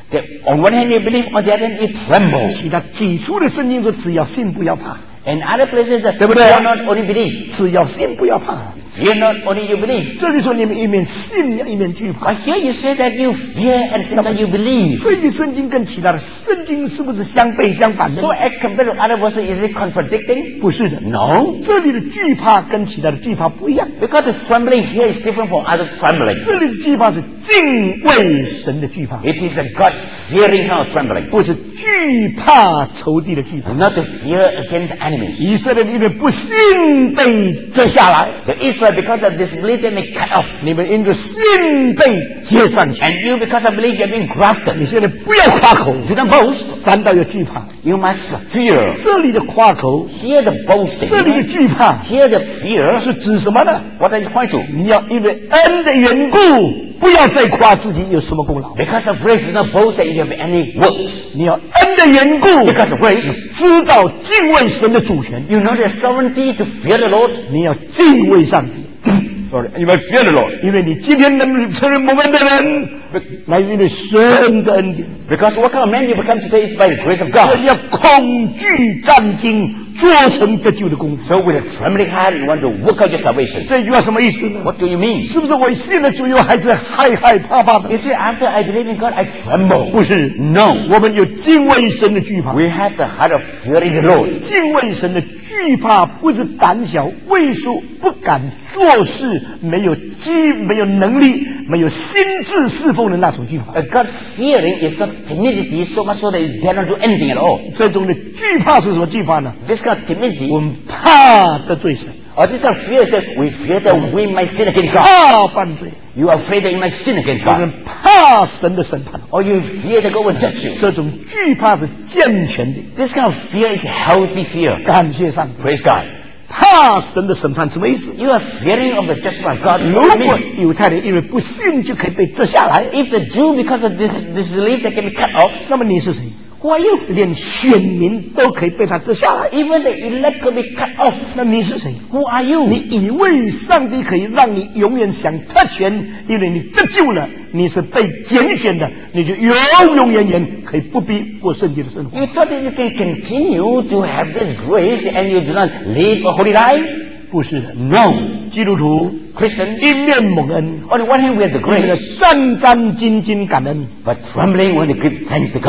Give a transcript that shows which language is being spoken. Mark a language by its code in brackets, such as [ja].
[en] That on one hand you believe On the other hand you tremble [zh] 其他几处的圣经都只要信不要怕 [en] And other places, do not only believe. [zh] 只要信不要怕。 [en] Fear not only you believe. [zh] 这里说你们一面信一面惧怕。 [en] But here you say that you fear and say that you believe. [zh] 所以圣经跟其他的圣经是不是相背相反的 [en] ？So as compared to other verses, is it contradicting? [zh] 不是的 [en] ，No. [zh] 这里的惧怕跟其他的惧怕不一样。 [en] Because the trembling here is different from other trembling. [zh] 这里的惧怕是敬畏神的惧怕。 [en] It is a God fearing kind of trembling. [zh] 不是惧怕仇敌的惧怕。 [en] Not to fear against enemies. [zh] 以色列因为不信被折下来。 [en] The Israel because of disbelief they may cut off. [zh] 你们因着信被接上去。 [en] And you because of belief you have been grafted. [zh] 你现在不要夸口。 [en] Do not boast. [zh] 反倒要惧怕。 [en] You must fear. [zh] 这里的夸口。 [en] Hear the boasting. [zh] 这里的惧怕。 [en] Hear the fear. [zh] 是指什么呢 [en] ？What are you pointing to? [zh] 你要因为恩的缘故。不要再夸自己有什么功劳 [en] Because of grace is not boast that you have any works [zh] 你要恩的缘故 [en] Because of grace [zh] 知道敬畏神的主权 [en] You know the sovereignty to fear the Lord [zh] 你要敬畏上帝 [en] Sorry, you must fear the Lord [zh] 因为你今天能成为蒙恩的人来因为神的恩典 [en] Because what kind of man you become today is by the grace of God [zh] 你要恐惧战惊做成得救的功夫 [en] So with a trembling heart you want to work out your salvation [zh] 这句话什么意思呢 [en] What do you mean [zh] 是不是我信了主又还是害害怕怕的 [en] You see after I believe in God I tremble [zh] 不是 [en] No [zh] 我们有敬畏神的惧怕 [en] We have the heart of fearing the Lord [zh] 敬畏神的惧怕不是胆小畏缩不敢做事没有机没有能力没有心智侍奉的那种惧怕 [en] God's fearing is not timidity so much so that you dare not do anything at all [zh] 这种的惧怕是什么惧怕呢 [en] This kind of timidity [zh] 我们怕得罪神 [en] This kind of fear is that we fear that we might sin against God [zh] 怕犯罪 [en] You are afraid that you might sin against God [zh] 我们怕神的审判 [en] Or you fear that God will judge you [zh] 这种惧怕是健全的 [en] This kind of fear is healthy fear [zh] 感谢上帝 [en] Praise God [zh] 怕神的审判什么意思 [en] You are fearing of the judgment of God [zh] 如果犹太人因为不信就可以被折下来 [en] If the Jew because of this belief they can be cut off [zh] 那么你是谁 [en] Who are you [zh] 连选民都可以被他折下来 [en] Even the elect could be cut off [zh] 那你是谁 [en] Who are you [zh] 你以为上帝可以让你永远享特权因为你得救了你是被拣选的你就永永远远可以不必过圣洁的生活 [en] You thought that you can continue to have this grace and you do not live a holy life [zh] 不是的 [en] No [zh] 基督徒 [en] Christians, [zh] 一面蒙恩 [en] on the one hand we have the grace, [zh] 一面战战兢兢感恩 [en] but trembling when the grace thanks to God,